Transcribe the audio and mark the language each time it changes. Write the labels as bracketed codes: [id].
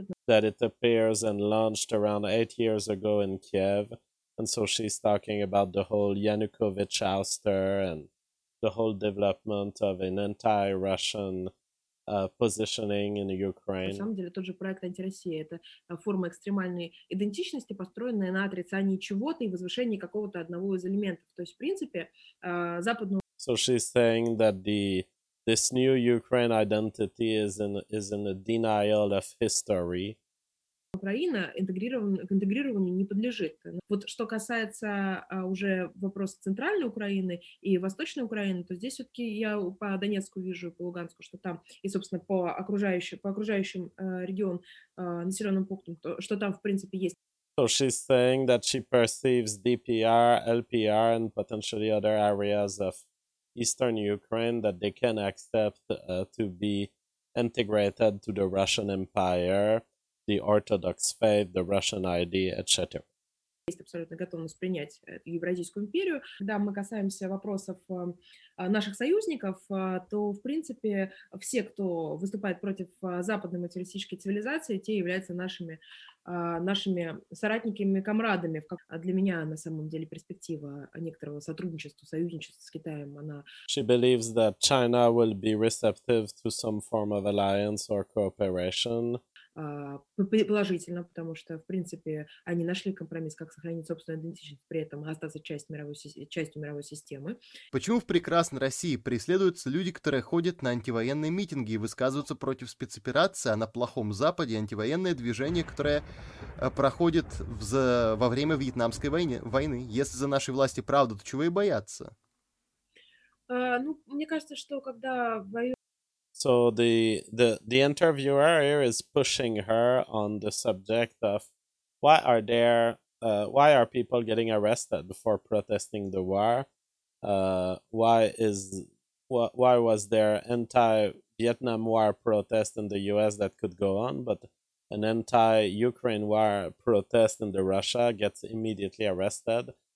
[en] That it appears and launched around 8 years ago in Kiev. And so she's talking about the whole Yanukovych ouster and the whole development of an anti-Russian positioning in Ukraine. [ru] На самом деле, тот же проект антироссия — это форма экстремальной идентичности, построенная на отрицании чего-то и возвышении какого-то одного из элементов. То есть, в принципе, западного. [en] So she's saying that this new Ukraine identity is in a denial of history. [ru] Украина к интегрированию не подлежит. Вот что касается уже вопроса центральной Украины и восточной Украины, то здесь все-таки я по Донецку вижу, по Луганску, что там, и, собственно, по окружающим регион населенным пунктам, то, что там, в принципе, есть. [en] So she's saying that she perceives DPR, LPR and potentially other areas of eastern Ukraine that they can accept to be integrated to the Russian Empire, the Orthodox faith, the Russian ID, etc. [ru] есть абсолютно готовность принять Евразийскую империю. Когда мы касаемся вопросов наших союзников, то, в принципе, все, кто выступает против западной материалистической цивилизации, те являются нашими соратниками, комрадами. Для меня, на самом деле, перспектива некоторого сотрудничества, союзничества с Китаем, она... [en] She believes that China will be receptive to some form of alliance or cooperation. [ru] Положительно, потому что, в принципе, они нашли компромисс, как сохранить собственную идентичность, при этом остаться частью мировой системы. Почему в прекрасной России преследуются люди, которые ходят на антивоенные митинги и высказываются против спецоперации, а на плохом Западе антивоенное движение, которое проходит во время Вьетнамской войны? Если за нашей власти правда, то чего и бояться? Мне кажется, что когда воюют... [en] So the interviewer here is pushing her on the subject of why are people getting arrested for protesting the war? Why was there anti-Vietnam War protest in the US that could go on, but an anti-Ukraine war protest in the Russia gets immediately arrested?